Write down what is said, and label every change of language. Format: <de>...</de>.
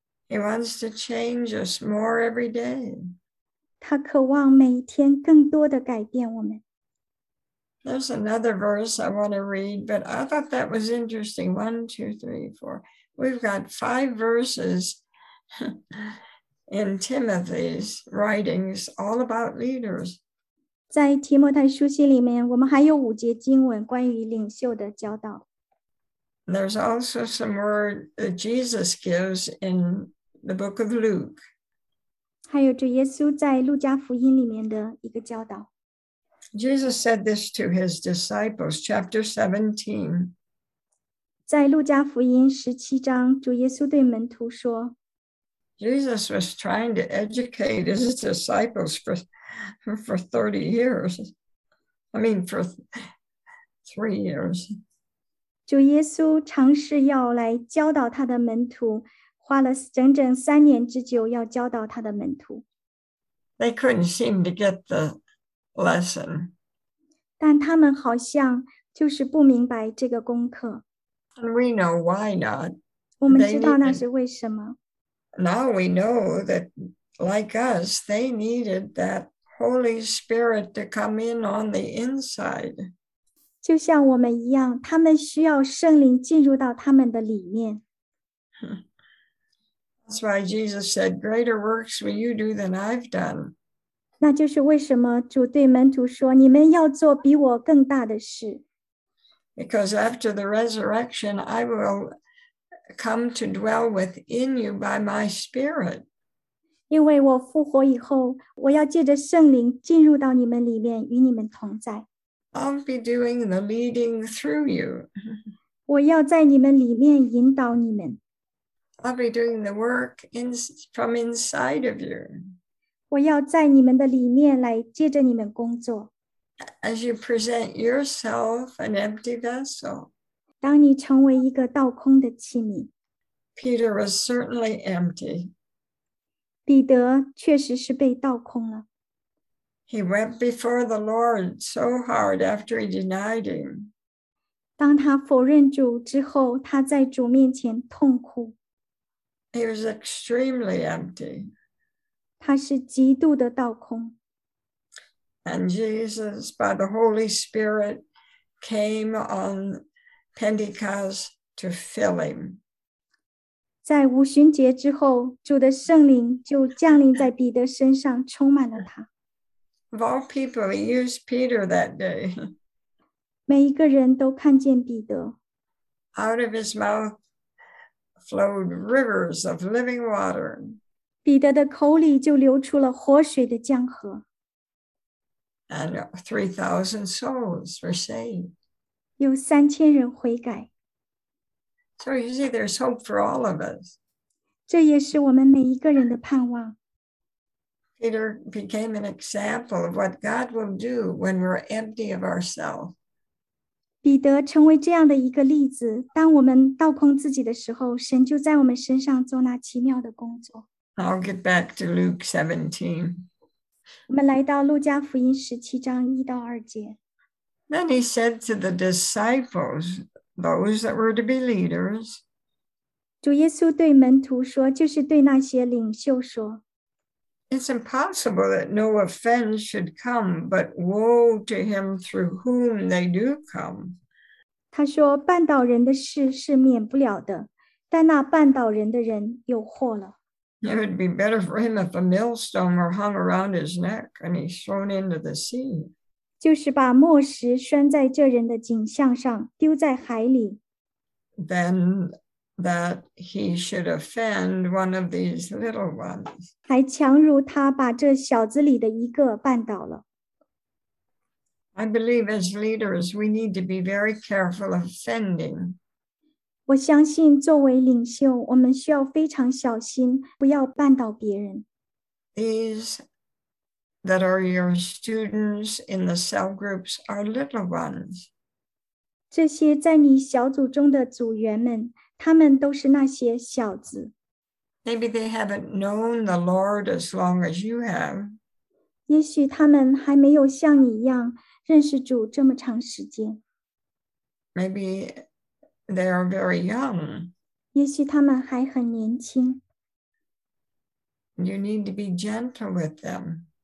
<en>He wants to change us more every day.</en> <zh>他渴望每天更多的改变我们。</zh> <en>There's another verse I want to read, but I thought that was interesting. 1, 2, 3, 4. We've got 5 verses in Timothy's writings all about leaders.</en> <zh>在提摩太书信里面，我们还有五节经文关于领袖的教导。</zh> <en>There's also some word that Jesus gives in the book of Luke.</en> <zh>还有主耶稣在路加福音里面的一个教导。</zh> <en>Jesus said this to his disciples, chapter 17.</en> <zh>在路加福音十七章，主耶稣对门徒说。</zh> <en>Jesus was trying to educate his disciples for 30 years. I mean, for 3 years.</en> <zh>主耶稣尝试要来教导他的门徒，花了整整三年之久要教导他的门徒。</zh> <en>They couldn't seem to get the lesson.</en> <zh>但他们好像就是不明白这个功课。</zh> <en>And we know why not.</en> <zh>我们知道那是为什么。</zh> <en>Now we know that, like us, they needed that Holy Spirit to come in on the inside.</en> <zh>就像我们一样，他们需要圣灵进入到他们的里面。</zh> <en>That's why Jesus said, "Greater works will you do than I've done."</en> <zh>那就是为什么主对门徒说，你们要做比我更大的事。</zh> <en>Because after the resurrection, I will come to dwell within you by my spirit.</en> <zh>因为我复活以后，我要借着圣灵进入到你们里面，与你们同在。</zh> <en>I'll be doing the leading through you.</en> <zh>我要在你们里面引导你们。</zh> <en>I'll be doing the work from inside of you.</en> <zh>我要在你们的里面来借着你们工作。</zh> <en>As you present yourself an empty vessel.</en> <zh>当你成为一个倒空的器皿。</zh> <en>Peter was certainly empty.</en> <zh>彼得确实是被倒空了。</zh> <en>He went before the Lord so hard after he denied him.</en> <zh>当他否认主之后，他在主面前痛哭。</zh> <en>He was extremely empty.</en> <zh>他是极度的倒空。</zh> <en>And Jesus, by the Holy Spirit, came on Pentecost to fill him.</en> <zh>在五旬节之后，主的圣灵就降临在彼得身上，充满了他。</zh> <en>Of all people, he used Peter that day.</en> <zh>每一个人都看见彼得。</zh> <en>Out of his mouth flowed rivers of living water.</en> <zh>彼得的口里就流出了活水的江河。</zh> <en>And 3,000 souls were saved.</en> <zh>有三千人悔改。</zh> <en>So you see, there's hope for all of us.</en> <zh>这也是我们每一个人的盼望。</zh> <en>Peter became an example of what God will do when we're empty of ourselves.</en> <zh>彼得成为这样的一个例子，当我们倒空自己的时候，神就在我们身上做那奇妙的工作。</zh> <en>I'll get back to Luke 17.</en> <zh>我们来到路加福音十七章一到二节。</zh> <en>Then he said to the disciples, those that were to be leaders.</en> <zh>主耶稣对门徒说，就是对那些领袖说。</zh> <en>It's impossible that no offense should come, but woe to him through whom they do come.</en> <zh>他说，绊倒人的事是免不了的，但那绊倒人的人有祸了。</zh> <en>It would be better for him if a millstone were hung around his neck and he's thrown into the sea.</en> <zh>就是把磨石拴在这人的颈项上，丢在海里。</zh> <en>Then that he should offend one of these little ones.</en> <zh>还强如他把这小子里的一个绊倒了。</zh> <en>I believe as leaders, we need to be very careful of offending.</en> <zh>我相信作为领袖，我们需要非常小心，不要绊倒别人。</zh> <en>These that are your students in the cell groups are little ones.</en> <zh>这些在你小组中的组员们，他们都是那些小子。</zh> <en>Maybe they haven't known the Lord as long as you have.</en> <zh>也许他们还没有像你一样认识主这么长时间。</zh> <en>Maybe they are very young.</en> <zh>也许他们还很年轻。</zh> <en>You need to be gentle with them.</en>